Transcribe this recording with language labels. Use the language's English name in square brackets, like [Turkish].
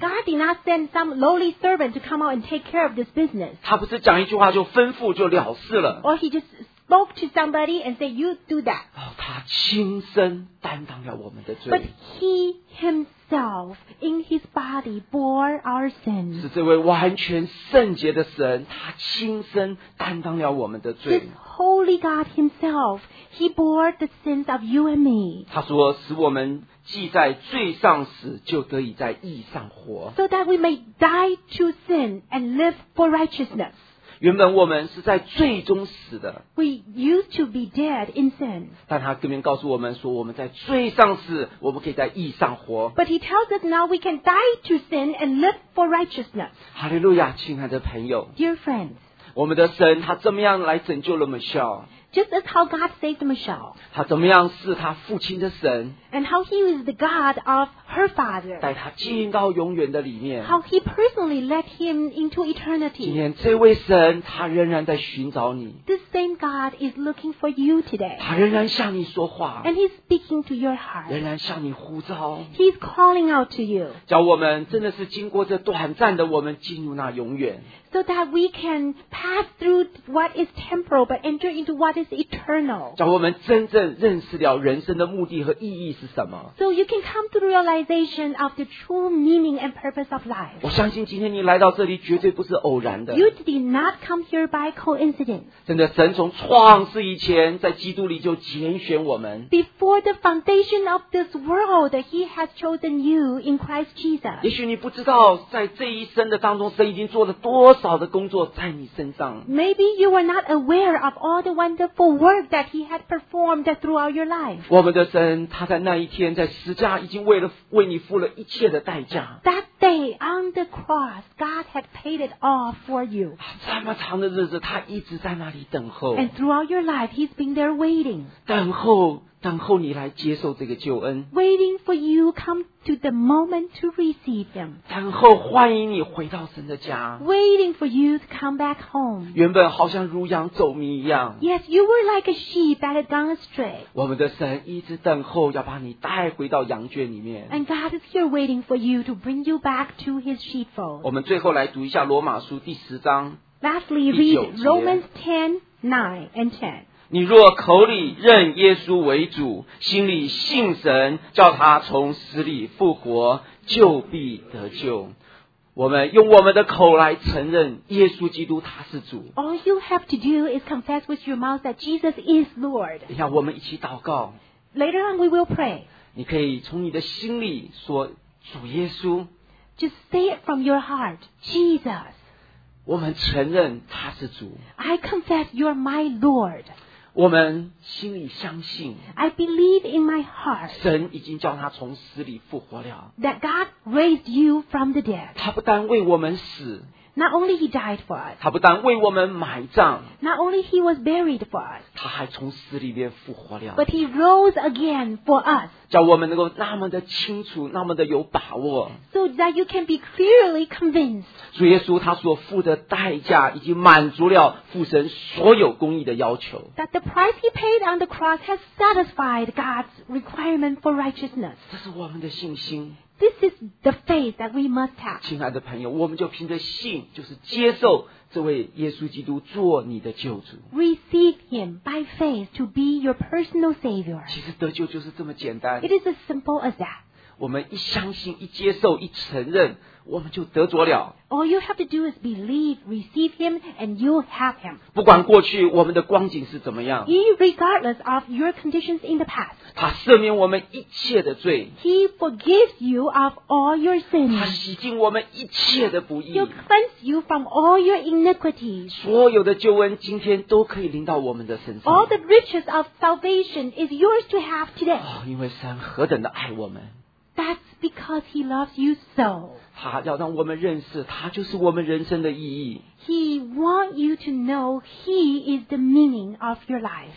[English] God did not send some lowly servant to come out and take care of this business. [Chinese] 他不是讲一句话就吩咐就了事了。 [English] Or he just spoke to somebody and said, you do that. [Chinese] 他亲身担当了我们的罪。 [English] But he himself, in his body, bore our sins. [Chinese] 是这位完全圣洁的神，他亲身担当了我们的罪。 [English] Holy God himself, he bore the sins of you and me. [Chinese] 他说使我们既在罪上死，就得以在义上活。 [English] So that we may die to sin and live for righteousness. [Chinese] 原本我们是在罪中死的。 [English] We used to be dead in sin. [Chinese] 但他这边告诉我们说，我们在罪上死，我们可以在义上活。 [English] But he tells us now we can die to sin and live for righteousness. [Chinese] 哈利路亚，亲爱的朋友。 [English] Dear friends, [Chinese] 我们的神他怎么样来拯救了 Michelle? [English] Just as how God saved Michelle. [Chinese] 他怎么样是他父亲的神。 [English] And how he was the God of her father. [Chinese] 带他进到永远的里面。 [English] How he personally led him into eternity. [Chinese] 今天这位神他仍然在寻找你。 [English] The same God is looking for you today. [Chinese] 他仍然向你说话。 [English] And he's speaking to your heart. [Chinese] 仍然向你呼召。 [English] He's calling out to you. [Chinese] 叫我们真的是经过这短暂的，我们进入那永远。 [English] So that we can pass through what is temporal but enter into what is eternal. [Chinese] 叫我们真正认识了人生的目的和意义是什么。 [English] So you can come to the realization of the true meaning and purpose of life. [Chinese] 我相信今天你来到这里绝对不是偶然的。 [English] You did not come here by coincidence. [Chinese] 真的，神从创世以前在基督里就拣选我们。 [English] Before the foundation of this world, he has chosen you in Christ Jesus. [Chinese] 也许你不知道在这一生的当中，神已经做了多少的工作在你身上。 [English] Maybe you were not aware of all the wonderful work that he had performed throughout your life. [Chinese] 我们的神他在那一天在十架已经为你付了一切的代价。 [English] That day on the cross, God had paid it all for you. [Chinese] 这么长的日子他一直在那里等候。 [English] And throughout your life, he's been there waiting. [Chinese] 等候等候你来接受这个救恩。 [English] Waiting for you come to the moment to receive them. [Chinese] 等候欢迎你回到神的家。 [English] Waiting for you to come back home. [Chinese] 原本好像如羊走迷一样。 [English] Yes, you were like a sheep that had gone astray. [Chinese] 我们的神一直等候要把你带回到羊圈里面。 [English] And God is here waiting for you to bring you back to his sheepfold. [Chinese] 我们最后来读一下罗马书第十章。 [English] Lastly, read Romans 10:9-10. [Chinese] 你若口里认耶稣为主，心里信神叫他从死里复活，就必得救。我们用我们的口来承认耶稣基督他是主。 [English] All you have to do is confess with your mouth that Jesus is Lord. [Chinese] 等一下我们一起祷告。 [English] Later on we will pray. [Chinese] 你可以从你的心里说主耶稣。 [English] Just say it from your heart, Jesus. [Chinese] 我们承认他是主。 [English] I confess you're my Lord. [Chinese] 我们心里相信 [English] I believe in my heart [Chinese] 神已经叫他从死里复活了 [English] That God raised you from the dead [Chinese] 他不单为我们死 [English] Not only he died for us [Chinese] 他不单为我们埋葬 [English] Not only he was buried for us [Chinese] 他还从死里面复活了 [English] But he rose again for us [Chinese] 叫我们能够那么的清楚那么的有把握 [English] So that you can be clearly convinced [Chinese] 主耶稣他所付的代价已经满足了父神所有公义的要求 [English] That the price he paid on the cross has satisfied God's requirement for righteousness [Chinese] 这是我们的信心 [English] This is the faith that we must have. [Chinese] 亲爱的朋友，我们就凭着信，就是接受这位耶稣基督做你的救主。 [English] Receive him by faith to be your personal savior. [Chinese] 其实得救就是这么简单。 [English] It is as simple as that. [Chinese] 我们一相信，一接受，一承认，我们就得着了。 [English] All you have to do is believe, receive him, and you'll have him. [Chinese] 不管过去我们的光景是怎么样。 [English] Irregardless of your conditions in the past. [Chinese] 他赦免我们一切的罪 [English] He forgives you of all your sins [Chinese] 他洗净我们一切的不义 [English] He'll cleanse you from all your iniquities [Chinese] 所有的救恩今天都可以临到我们的身上 [English] All the riches of salvation is yours to have today、 [Chinese] 哦、因为神何等的爱我们 [English] That's because he loves you so [Chinese] 他要让我们认识他就是我们人生的意义 [English] He wants you to know he is the meaning of your life